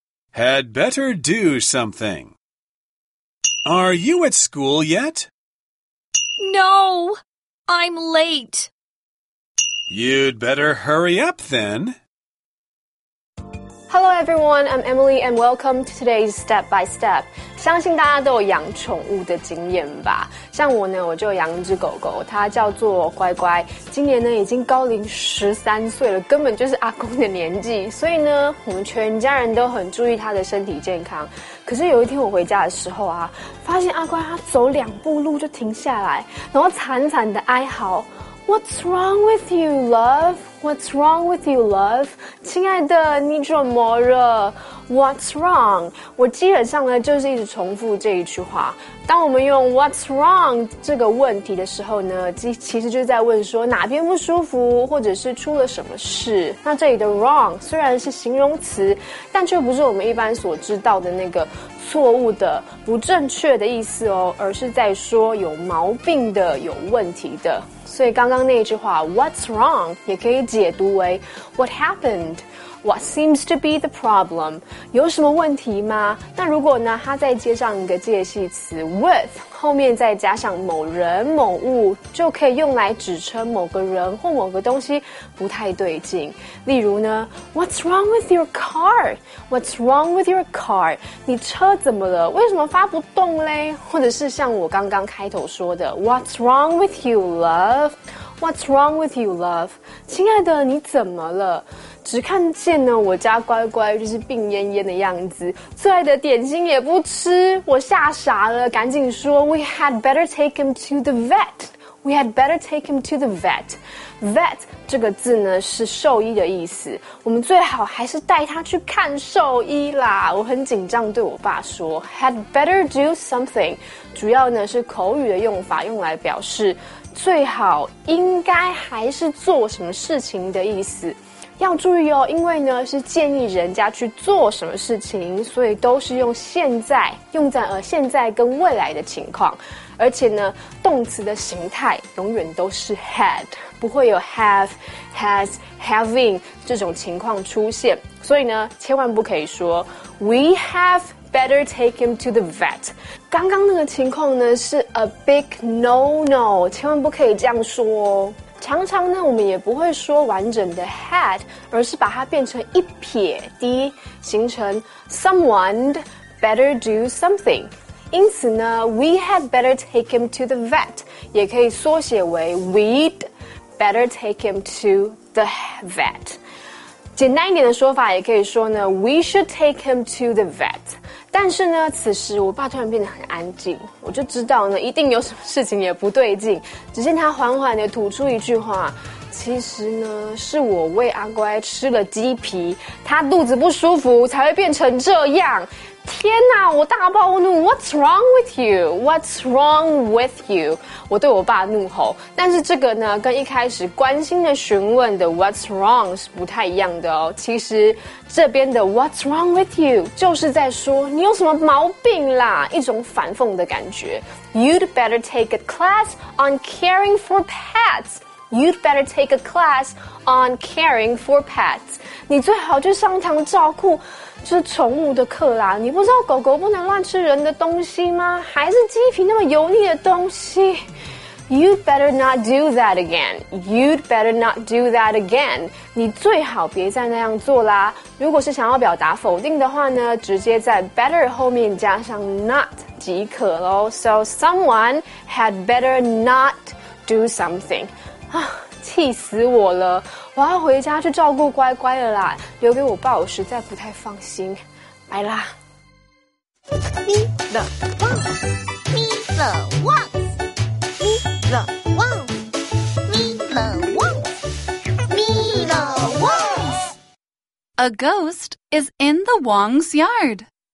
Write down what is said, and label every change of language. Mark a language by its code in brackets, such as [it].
[en] Had better do something. Are you at school yet? No, I'm late. You'd better hurry up then. Hello everyone, I'm Emily and welcome to today's Step by Step. [zh] 相信大家都有养宠物的经验吧。像我呢，我就养一只狗狗，它叫做乖乖。今年呢已经高龄13岁了，根本就是阿公的年纪。所以呢，我们全家人都很注意它的身体健康。可是有一天我回家的时候啊，发现阿乖它走两步路就停下来，然后惨惨的哀嚎。 [en] What's wrong with you, love? What's wrong with you, love? [zh] 亲爱的，你怎么了 ？ [en] What's wrong? [zh] 我基本上呢，就是一直重复这一句话。当我们用 [en] What's wrong [zh] 这个问题的时候呢，其实就是在问说哪边不舒服，或者是出了什么事。那这里的 wrong 虽然是形容词，但却不是我们一般所知道的那个错误的、不正确的意思哦，而是在说有毛病的、有问题的。所以刚刚那一句话 [en] What's wrong [zh] 也可以解读为 [en] What happened? What seems to be the problem? [zh] 有什么问题吗？那如果呢他再接上一个介系词 with 后面再加上某人某物，就可以用来指称某个人或某个东西不太对劲。例如呢 [en] What's wrong with your car? What's wrong with your car? [zh] 你车怎么了？为什么发不动嘞？或者是像我刚刚开头说的 [en] What's wrong with you, love? What's wrong with you, love? [zh] 亲爱的，你怎么了？只看见呢，我家乖乖就是病恹恹的样子，最爱的点心也不吃，我吓傻了，赶紧说 ， [en] We had better take him to the vet. We had better take him to the vet. [zh] Vet 这个字呢是兽医的意思，我们最好还是带他去看兽医啦。我很紧张，对我爸说 ， [en] Had better do something. [zh] 主要呢是口语的用法，用来表示。最好应该还是做什么事情的意思，要注意哦，因为呢是建议人家去做什么事情，所以都是用现在，用在现在跟未来的情况，而且呢动词的形态永远都是 had， 不会有 have、has、having 这种情况出现，所以呢千万不可以说 [en] we have better take him to the vet。 [zh] 刚刚那个情况呢是 [en] a big no-no， [zh] 千万不可以这样说哦。常常呢我们也不会说完整的 had， 而是把它变成一撇滴，形成 [en] someone'd better do something。 [zh] 因此呢 [en] we had better take him to the vet， [zh] 也可以缩写为 [en] we'd better take him to the vet。 [zh] 简单一点的说法也可以说呢 [en] we should take him to the vet。 [zh] 但是呢，此时我爸突然变得很安静，我就知道呢，一定有什么事情也不对劲。只见他缓缓地吐出一句话：其实呢，是我喂阿乖吃了鸡皮，他肚子不舒服才会变成这样。天哪，我大暴怒， [en] What's wrong with you? What's wrong with you? [zh] 我对我爸怒吼，但是这个呢，跟一开始关心的询问的 [en] What's wrong [zh] 是不太一样的哦。其实这边的 [en] What's wrong with you [zh] 就是在说你有什么毛病啦，一种反讽的感觉。 [en] You'd better take a class on caring for pets. You'd better take a class on caring for pets. [zh] 你最好去上堂照顾是宠物的课啦，你不知道狗狗不能乱吃人的东西吗？还是鸡皮那么油腻的东西。 [en] You'd better not do that again. You'd better not do that again. [zh] 你最好别再那样做啦。如果是想要表达否定的话呢，直接在 better 后面加上 not 即可咯。 [en] So someone had better not do something. [zh] 啊，气死我了，我要回家去照顾乖乖了啦，留给我爸我实在不太放心，拜啦。 Me the wrong Me the wrong Me the wrong Me the wrong Me the wrong [en] A ghost is in the Wong's yard.